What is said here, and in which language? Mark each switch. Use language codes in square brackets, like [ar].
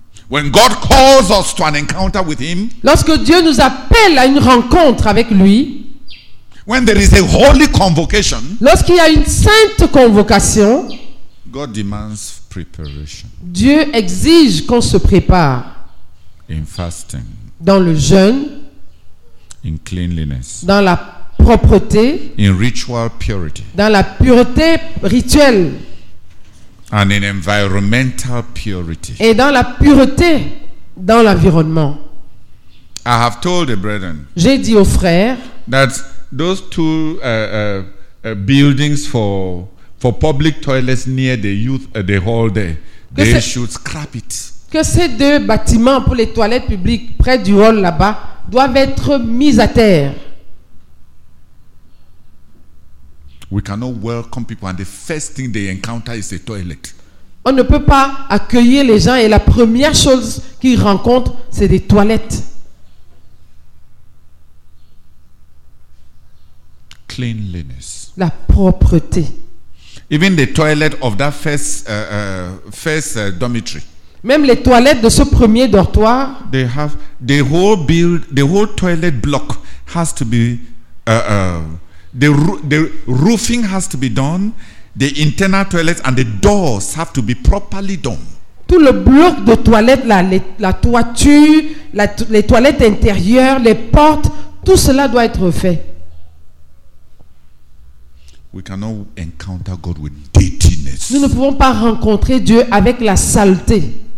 [en] When God calls us to an encounter with him, [fr] lorsque Dieu nous appelle à une rencontre avec lui, [en] when there is a holy convocation, [fr] lorsqu'il y a une sainte convocation, [en] God demands preparation. [fr] Dieu exige qu'on se prépare. [en] In fasting, [fr] dans le jeûne, [en] in cleanliness, [fr] dans la propreté, [en] in ritual purity, [fr] dans la pureté rituelle. [en] And in environmental purity. [fr] Et dans la pureté dans l'environnement. [en] I have told the brethren. [fr] J'ai dit aux frères. [en] That those two buildings for public toilets near the youth the hall there, they should scrap it. [fr] Que ces deux bâtiments pour les toilettes publiques près du hall là-bas doivent être mis à terre. [en] We cannot welcome people and the first thing they encounter is a toilet. [fr] On ne peut pas accueillir les gens et la première chose qu'ils rencontrent c'est des toilettes. [en] cleanliness. [fr] La propreté. [en] Even the toilet of that first dormitory. [fr] Même les toilettes de ce premier dortoir. [en] They have the whole build, the whole toilet block has to be the roofing has to be done, the internal toilets and the doors have to be properly done. [fr] Tout le bloc de toilettes, la toiture, les toilettes intérieures, les portes, tout cela doit être fait. [en] We cannot encounter God with dirtiness. [fr] Nous ne pouvons pas rencontrer Dieu avec la saleté.